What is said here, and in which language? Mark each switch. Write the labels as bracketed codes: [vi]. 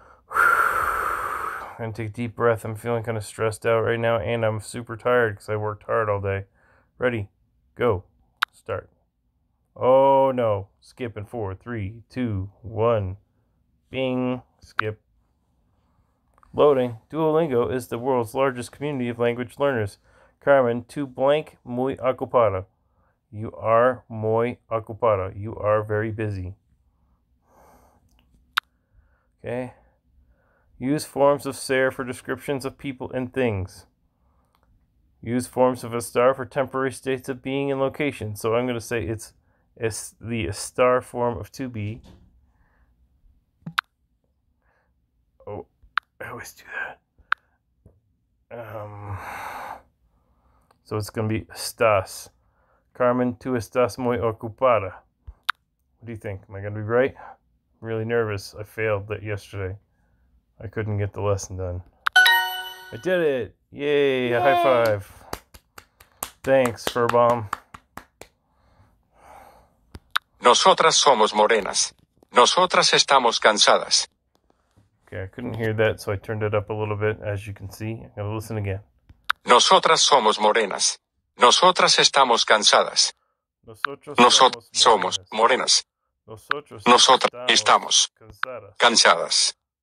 [en] I'm going to take a deep breath. I'm feeling kind of stressed out right now, and I'm super tired because I worked hard all day. Ready? Go. Start. Oh, no. Skip in 4, 3, 2, 1. Bing. Skip. Loading. Duolingo is the world's largest community of language learners. [es] Carmen, tu blank muy ocupada. [en] You are [es] muy ocupada. [en] You are very busy. Okay. Use forms of ser for descriptions of people and things. Use forms of estar for temporary states of being and location. So I'm going to say it's the estar form of to be. I always do that. So it's going to be estás. [es] Carmen, tú estás muy ocupada. [en] What do you think? Am I going to be right? I'm really nervous. I failed that yesterday. I couldn't get the lesson done. I did it. Yay. Yay. A high five. Thanks, Furbom. [es] Nosotras somos morenas. Nosotras estamos cansadas. [en] Okay, I couldn't hear that, so I turned it up a little bit, as you can see. I'm going to listen again. [es] Nosotras somos morenas. Nosotras estamos cansadas. Nosotros somos morenas. Nosotras estamos cansadas.